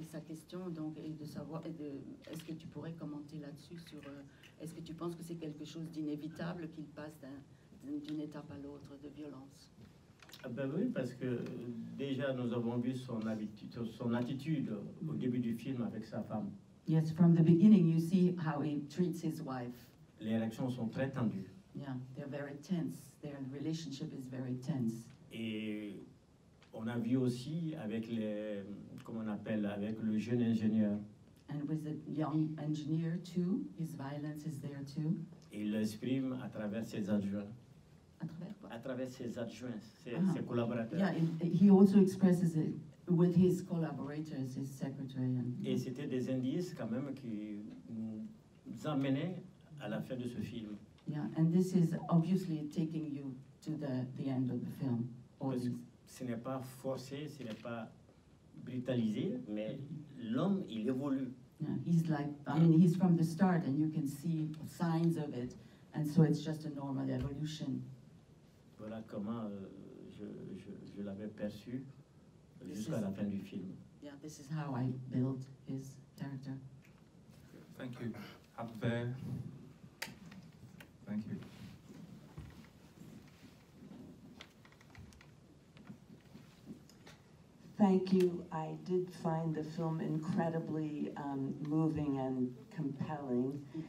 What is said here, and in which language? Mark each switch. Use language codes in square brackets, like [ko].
[fr] Et sa question donc est de savoir, est-ce que tu pourrais commenter là-dessus, est-ce que tu penses que c'est quelque chose d'inévitable qu'il passe d'une étape à l'autre de violence? Ah ben oui, parce que déjà nous avons vu son attitude au début du film avec sa femme. [en] Yes, from the beginning, you see how he treats his wife. [fr] Les relations sont très tendues. [en] Yeah, they're very tense. Their relationship is very tense. [fr] Et on a vu aussi avec le jeune ingénieur. [en] And with a young engineer too, his violence is there too. [fr] Il l'exprime à travers ses adjoints. À travers ses adjoints, ses collaborateurs. [en] Yeah, he also expresses it with his collaborators, his secretary. [fr] Et c'était des indices quand même qui nous amenaient à la fin de ce film. [en] Yeah, and this is obviously taking you to the end of the film. [fr] Ce n'est pas forcé, ce n'est pas brutalisé, mais l'homme, il évolue. [en] Yeah, he's like, I mean, he's from the start, and you can see signs of it, and so it's just a normal evolution. [fr] Voilà comment je l'avais perçu jusqu'à la fin du film. [en] Yeah, this is how I built his character. Thank you. Up there. Thank you. Thank you. I did find the film incredibly moving and compelling.